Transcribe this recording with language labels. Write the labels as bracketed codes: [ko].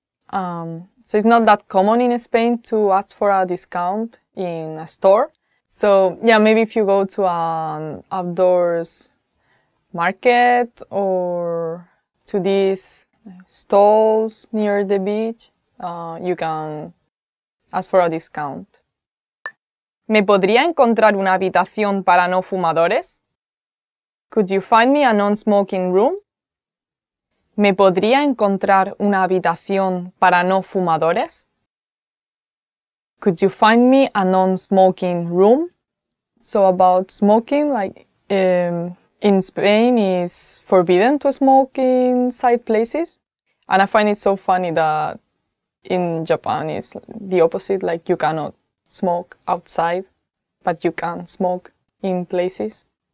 [en] So it's not that common in Spain to ask for a discount in a store. So yeah, maybe if you go to an outdoors market or to these stalls near the beach, you can ask for a discount. [es] ¿Me podría encontrar una habitación para no fumadores? [en] Could you find me a non-smoking room? [es] ¿Me podría encontrar una habitación para no fumadores? [en] Could you find me a non-smoking room? So about smoking, like in Spain, it's forbidden to smoke inside places. And I find it so funny that in Japan it's the opposite, like you cannot smoke outside, but you can smoke in places.